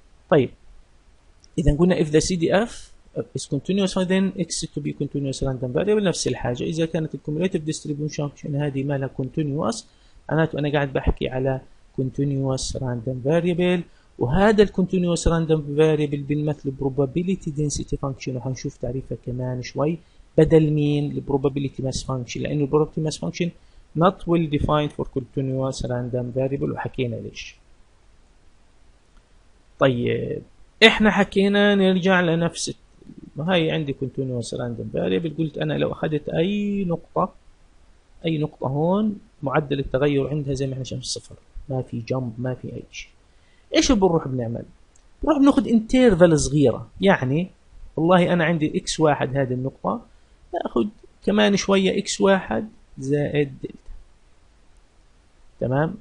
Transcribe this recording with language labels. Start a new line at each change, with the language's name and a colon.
Arabic: طيب اذا قلنا
English: if the CDF is continuous then x to be continuous random variable،
Arabic: نفس الحاجه اذا كانت الكوميوليتيف ديستريبيوشن فانكشن هذه ما لها continuous، معناته انا قاعد بحكي على continuous random variable، وهذا الكونتينوس راندوم فاريبل بنمثله بروبابيلتي دنسيتي فانكشن، وحنشوف تعريفها كمان شوي بدل مين؟ الـ probability mass function، لأن الـ probability mass function
English: not well defined for continuous random variable،
Arabic: وحكينا ليش. طيب احنا حكينا نرجع لنفس، هاي عندي continuous random variable، قلت انا لو اخذت اي نقطه، اي نقطه هون معدل التغير عندها زي ما احنا شايفين صفر، ما في جمب ما في اي شيء. ايش بنروح بنعمل؟ بنروح بناخذ interval صغيره، يعني والله انا عندي اكس واحد هذه النقطه، باخذ كمان شويه اكس واحد زائد دلتا، تمام.